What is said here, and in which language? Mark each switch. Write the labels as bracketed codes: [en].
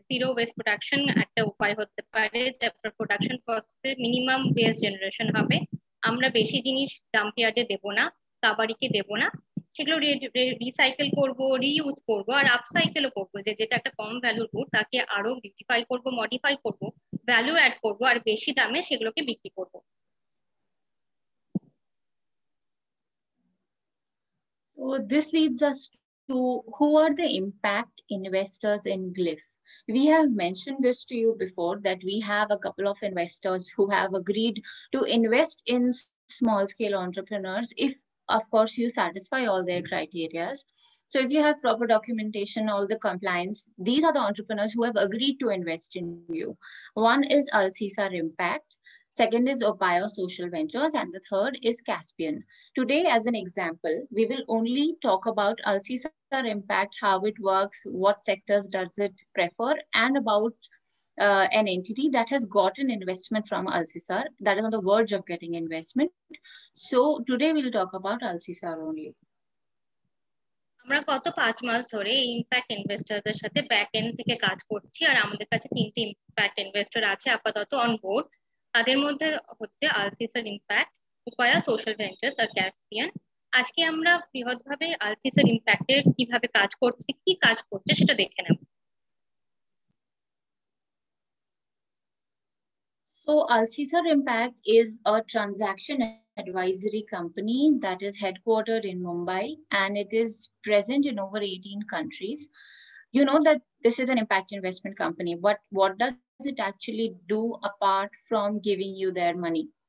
[bn] Zero West production একটা উপায় হতে পারে, তারপর প্রোডাকশন প্রসেসে মিনিমাম ওয়েস্ট জেনারেশন হবে, আমরা বেশি জিনিস ডাম্পিয়ারে দেবো না, কাবাড়িকে দেবো না, সেগুলো রিসাইকেল করবো, রিইউজ করবো, আর আপসাইকেলও করবো, যে যেটা একটা কম ভ্যালুর গুড তাকে আরো বিউটিফাই করবো, মডিফাই করবো, ভ্যালু অ্যাড করবো, আর বেশি দামে সেগুলোকে বিক্রি করবো। [en] So this leads us to who are the impact investors in Glyph. We have mentioned this to you before that we have a couple of investors who have agreed to invest in small scale entrepreneurs if, of course, you satisfy all their criteria. So if you have proper documentation, all the compliance, these are the entrepreneurs who have agreed to invest in you. One is Alcesar Impact. Second is Opio Social Ventures, and the third is Caspian. Today, as an example, we will only talk about Alcesar Impact, how it works, what sectors does it prefer, and about an entity that has gotten investment from Alcesar, that is on the verge of getting investment. So today we'll talk about Alcesar only. [bn] আমরা গত 5 মাস ধরে impact ইনভেস্টরদের সাথে back end থেকে কাজ করছি, আর আমাদের কাছে 3টি ইম্প্যাক্ট ইনভেস্টর আছে আপাতত অন বোর্ড। তাদের মধ্যে হচ্ছে আলসিসার ইম্প্যাক্ট, উপায়া সোশ্যাল ভেঞ্চার আর ক্যাসপিয়ান। আজকে আমরা বৃহৎভাবে আলসিসার ইম্প্যাক্টের কিভাবে কাজ করছে, কি কাজ করছে সেটা দেখে নেব। [en] So Alcesar Impact is a transaction advisory company that is headquartered in Mumbai, and it is present in over 18 countries. You know that this is an impact investment company, but what does it actually do apart from giving you their money?